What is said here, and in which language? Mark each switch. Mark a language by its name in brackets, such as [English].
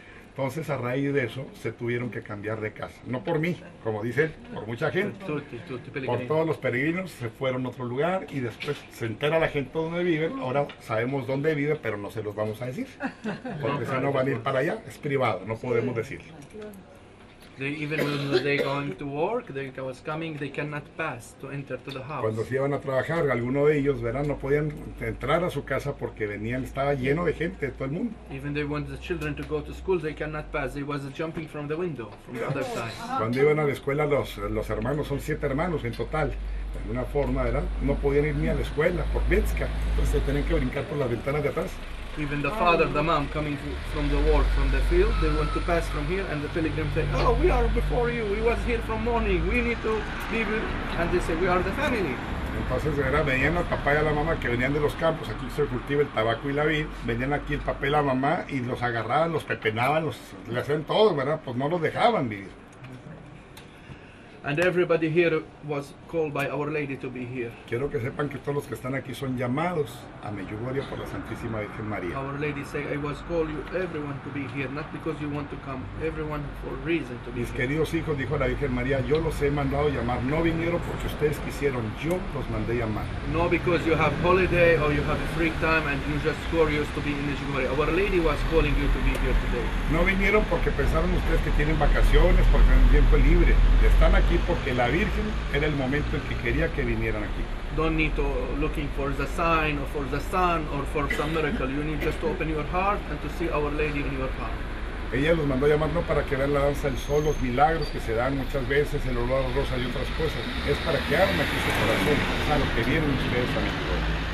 [Spanish] Entonces, a raíz de eso, se tuvieron que cambiar de casa. No por mí, como dice él, por mucha gente. Por todos los peregrinos, se fueron a otro lugar y después se entera la gente donde viven. Ahora sabemos dónde vive, pero no se los vamos a decir. Porque si no van a ir para allá, es privado, no podemos decirlo. [English] Even when they going to work, they was coming, they cannot pass to enter to the house. [Spanish] Cuando se iban a trabajar, alguno de ellos, verán, no podían entrar a su casa porque venían, estaba lleno de gente de todo el mundo. [English] Even they want the children to go to school, they cannot pass. They was jumping from the window from the other side. [Spanish] Cuando iban a la escuela, los hermanos, son 7 hermanos en total, de alguna forma, verán, no podían ir ni a la escuela por Vizca, entonces se tenían que brincar por las ventanas de atrás. [English] Even the father, the mom coming from the work, from the field, they want to pass from here, and the pilgrim say, "Oh, we are before you. We was here from morning. We need to leave." And they say, "We are the family." [Spanish] Entonces era venían el papá y la mamá que venían de los campos, aquí se cultiva el tabaco y la vid, venían aquí el papá y la mamá y los agarraban, los pepenaban, los le hacían todo, ¿verdad? Pues no los dejaban vivir. [English] And everybody here was called by Our Lady to be here. [Spanish] Quiero que sepan que todos los que están aquí son llamados a Medjugorje por la Santísima Virgen María. [English] Our Lady said, "I was calling you everyone to be here, not because you want to come. Everyone for reason to be [Spanish] Mis [English] here." [Spanish] Mis queridos hijos, dijo la Virgen María, yo los he mandado llamar. No vinieron porque ustedes quisieron. Yo los mandé llamar. [English] No, because you have holiday or you have a free time and you just curious to be in Medjugorje. Our Lady was calling you to be here today. [Spanish] No vinieron porque pensaron ustedes que tienen vacaciones, porque tienen tiempo libre. Están aquí porque la Virgen era el momento en que quería que vinieran aquí. [English] Don't need to looking for the sign or for the sun or for some miracle. You need just to open your heart and to see Our Lady in your heart. [Spanish] Ella los mandó llamando para que vean la danza del sol, los milagros que se dan muchas veces, el olor a rosa y otras cosas. Es para que abran aquí su corazón a lo que vieron ustedes a Medjugorje.